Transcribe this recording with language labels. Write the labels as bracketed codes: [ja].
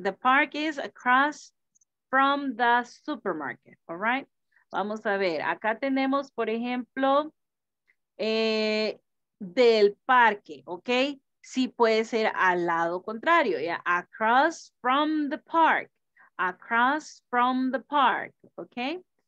[en] The park is across from the supermarket, all right? [es] Vamos a ver, acá tenemos, por ejemplo, del parque, okay? Sí, puede ser al lado contrario, ¿ya? Yeah? [en] Across from the park, across from the park, okay?